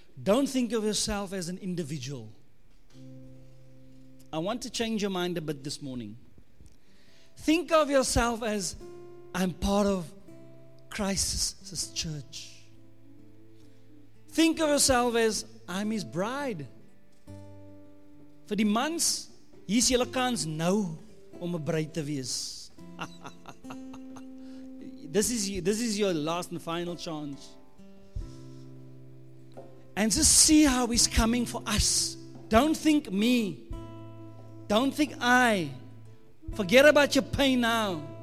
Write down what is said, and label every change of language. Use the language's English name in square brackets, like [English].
[English] Don't think of yourself as an individual. I want to change your mind a bit this morning. Think of yourself as, I'm part of Christ's church. Think of yourself as, I'm his bride. [Afrikaans] Vir die mans, hier is julle kans nou om 'n bruid te wees. [English] This is your last and final chance. And just see how he's coming for us. Don't think me. Don't think I. Forget about your pain now.